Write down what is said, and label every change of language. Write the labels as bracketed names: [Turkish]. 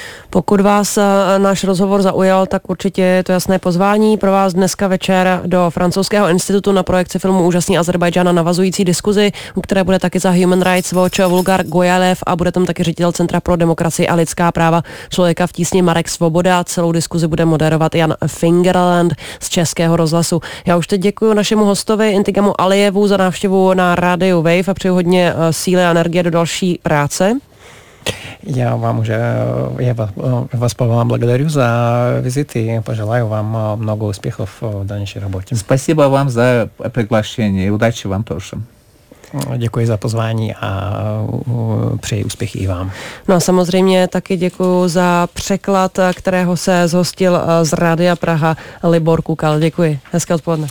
[Czech] Pokud vás náš rozhovor zaujal, tak určitě je to jasné pozvání pro vás dneska večer do Francouzského institutu na projekci filmu Úžasný Azerbajdžán a navazující diskuzi, u které bude taky za Human Rights Watch Vulgar Gojalev a bude tam taky ředitel Centra pro demokracii a lidská práva člověka v tísni Marek Svoboda. Celou diskuzi bude moderovat Jan Fingerland z Českého rozhlasu. Já už teď děkuji našemu hostovi Integamu Alijevu za návštěvu na rádiu Wave a přeju hodně síly a energie do další práce. [Russian] Я вас поблагодарю за визит и пожелаю вам много успехов в дальнейшей работе. Спасибо вам за приглашение. Удачи вам тоже. [Czech] Děkuji za pozvání a přeji úspěch i vám. No a samozřejmě taky děkuji za překlad, kterého se zhostil z Rádia Praha Libor Kukal. Děkuji. Hezké odpoledne.